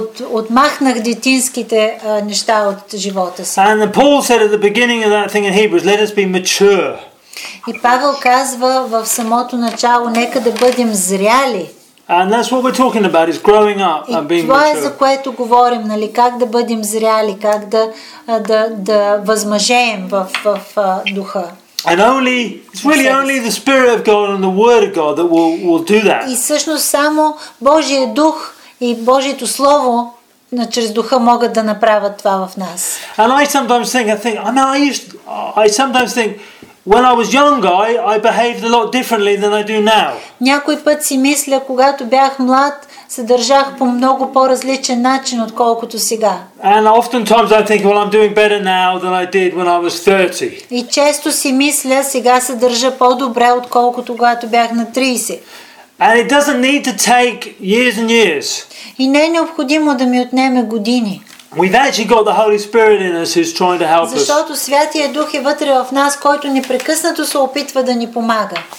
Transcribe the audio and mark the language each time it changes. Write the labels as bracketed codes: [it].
[bg] Отмахнах детинските неща от живота си. [en] And Paul said at the beginning of that thing in Hebrews, let us be mature. [bg] И Павел казва в самото начало, нека да бъдем зряли. [en] And that's what we're talking about, is growing up and being [bg] Това е за което говорим, нали, как да бъдем зряли, как да възмъжеем в духа. [en] And only it's really only the Spirit of God and the Word of God that will do that. [bg] И всъщност само Божия дух и Божието слово чрез духа могат да направят това в нас. [en] And I sometimes think, I sometimes think when I was younger, I behaved a lot differently than I do now. [bg] Някой път си мисля, когато бях млад, се държах по много по-различен начин отколкото сега. [en] And oftentimes I think, well, I'm doing better now than I did when I was 30. [bg] И често си мисля, сега се държа по-добре отколкото когато бях на 30. [en] And it doesn't need to take years and years. [bg] И не е необходимо да ми отнеме години. [en] We've actually got the Holy Spirit in us who's trying to help us. [bg] Защото Святия Дух е вътре в нас, който непрекъснато се опитва да ни помага.